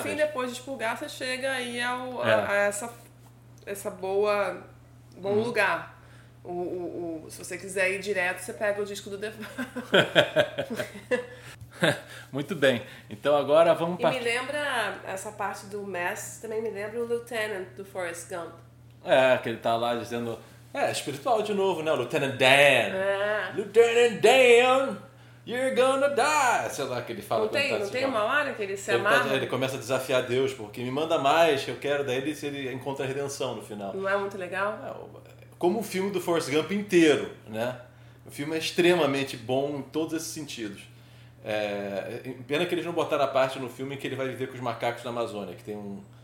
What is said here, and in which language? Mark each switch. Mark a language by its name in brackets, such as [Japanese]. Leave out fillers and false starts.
[Portuguese] É que no fim, depois de expurgar, você chega aí a essa boa, bom lugar. Se você quiser ir direto, você pega o disco do The Fall. Muito bem. Então agora vamos... E me lembra essa parte do Mass, também me lembra o Lieutenant do Forrest Gump. É, que ele tá lá dizendo... É, espiritual de novo, né? Lieutenant Dan. É. [English] Lieutenant Dan, you're gonna die. [Portuguese] Sei lá que ele fala. Não tem, não tem uma hora que ele se amarra? Ele começa a desafiar Deus, porque me manda mais que eu quero. Daí ele encontra a redenção no final. Não é muito legal? É, como o filme do Forrest Gump inteiro, né? O filme é extremamente bom em todos esses sentidos. É, pena que eles não botaram a parte no filme em que ele vai viver com os macacos na Amazônia, que tem um...